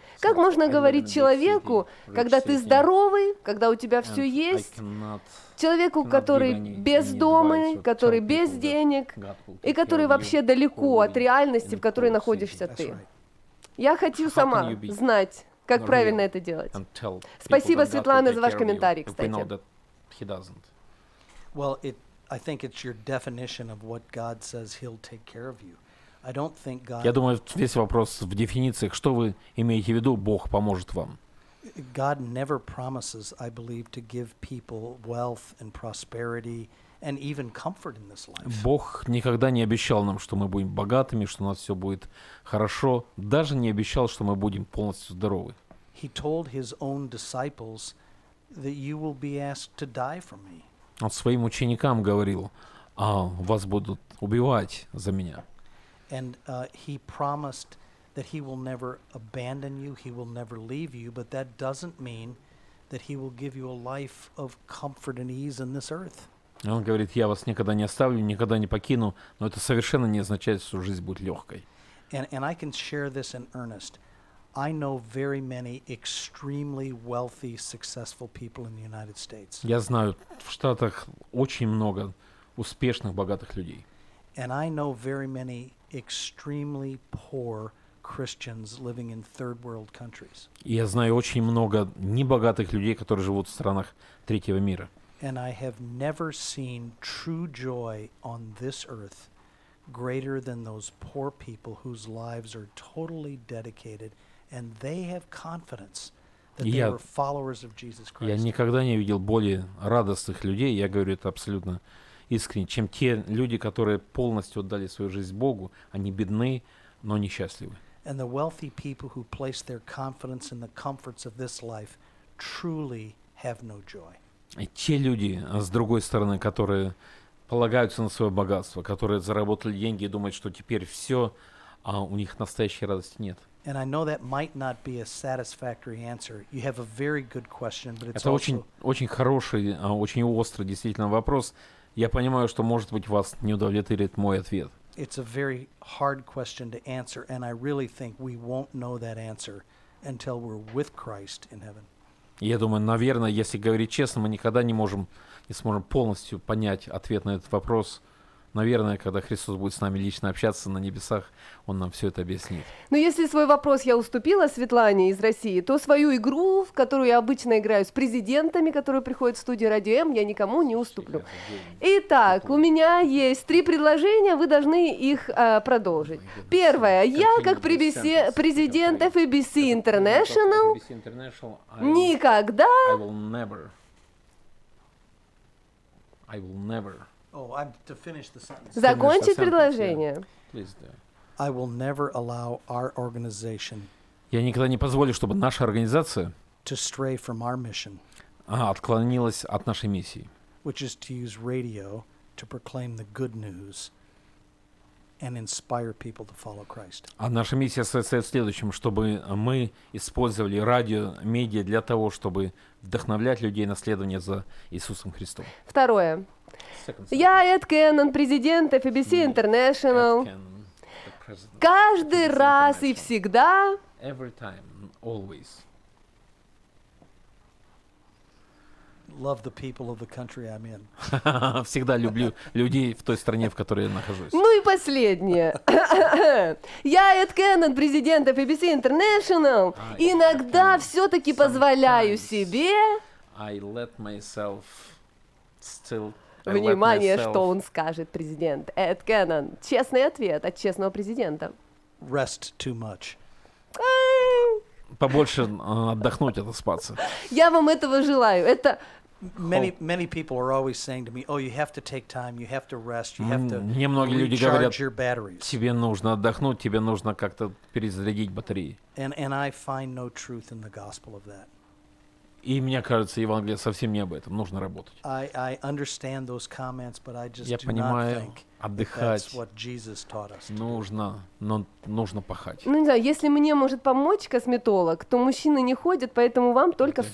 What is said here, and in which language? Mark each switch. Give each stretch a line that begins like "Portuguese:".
Russian: Как можно говорить человеку, когда ты здоровый, когда у тебя все есть, человеку, который без дома, который без денег, и который вообще далеко от реальности, в которой находишься ты? Я хочу сама знать, как правильно это делать. Спасибо, Светлана, за ваш комментарий, кстати.
English: Well, I think it's your definition of what God says He'll take care of you. I don't think God.
Russian: Я думаю, весь вопрос в дефинициях. Что вы имеете в виду? Бог поможет вам.
English: God never promises, I believe, to give people wealth and prosperity and even comfort in this life.
Russian: Бог никогда не обещал нам, что мы будем богатыми, что у нас все будет хорошо, даже не обещал, что мы будем полностью здоровы.
English: He told his own disciples that you will be asked to die for me.
Russian: Он своим ученикам говорил: "А вас будут убивать за меня".
English: And he promised that he will never abandon you, he will never leave you, but that doesn't mean that he will give you a life of comfort and ease in this earth.
Russian: Он говорит, я вас никогда не оставлю, никогда не покину, но это совершенно не означает, что жизнь будет легкой.
English: And I can share this in earnest. I know very many extremely wealthy, successful people in the United States.
Russian: Я знаю, в Штатах очень много успешных, богатых людей.
English: And I know very many extremely poor Christians living in third world countries.
Russian: И я знаю очень много небогатых людей, которые живут в странах третьего мира.
English: And I have never seen true joy on this earth greater than those poor people whose lives are totally dedicated and they have confidence that they are followers of Jesus Christ.
Russian: Я никогда не видел более радостных людей, я говорю это абсолютно искренне, чем те люди, которые полностью отдали свою жизнь Богу, они бедны, но несчастливы.
English: And the wealthy people who place their confidence in the comforts of this life truly have no joy.
Russian: И те люди, с другой стороны, которые полагаются на свое богатство, которые заработали деньги и думают, что теперь все, а у них настоящей радости нет.
English: And I know that might not be a satisfactory answer. You have a very good question, but it's also...
Russian: Это очень, очень хороший, очень острый действительно вопрос. Я понимаю, что, может быть, вас не удовлетворит мой ответ.
English: It's a very hard question to answer, and I really think we won't know that answer until we're with Christ in heaven.
Russian: Я думаю, наверное, если говорить честно, мы никогда не можем, не сможем полностью понять ответ на этот вопрос. Наверное, когда Христос будет с нами лично общаться на небесах, Он нам все это объяснит. Но если свой вопрос я уступила Светлане из России, то свою игру, в которую я обычно играю с президентами, которые приходят в студию Радио М, я никому не уступлю. Итак, у меня есть три предложения, вы должны их продолжить. Первое. Я, как президент FABC International, никогда...
English: I will never... Oh, I'm to finish the sentence.
Russian: Закончить предложение.
English: Please do. I will never allow our organization.
Russian: Я никогда не позволю, чтобы наша организация
English: to stray from our mission.
Russian: Отклонилась от нашей миссии.
English: Which is to use radio to proclaim the good news and inspire people to follow Christ.
Russian: А наша миссия состоит в следующем, чтобы мы использовали радио, медиа для того, чтобы вдохновлять людей на следование за Иисусом Христом. Второе. Я Эд Кеннон, президент FABC International. Каждый раз и всегда
English: every time, always love the people of the country I'm in.
Russian: Всегда люблю людей в той стране, в которой я нахожусь. Ну и последнее. Я Эд Кеннон, президент FABC International. Иногда все-таки позволяю себе
English: I let myself still
Russian: Внимание, что он скажет, президент. Эд Кеннон. Честный ответ от честного президента.
English: Rest too much.
Russian: Побольше отдохнуть, отоспаться. Я вам этого желаю. Это...
English: Many people are always saying to me, oh, you have to take time, you have to rest, you have to recharge your batteries.
Russian: Тебе нужно отдохнуть, тебе нужно как-то перезарядить батареи.
English: And I find no truth in the gospel of that.
Russian: И мне кажется, Евангелие совсем не об этом. Нужно работать.
English: I understand those comments, but I just
Russian: Я
English: do
Russian: понимаю,
English: not think
Russian: отдыхать
English: that's what Jesus taught us to
Russian: нужно,
English: do.
Russian: Но нужно пахать. Ну не знаю, если мне может помочь косметолог, то мужчины не ходят, поэтому вам только okay.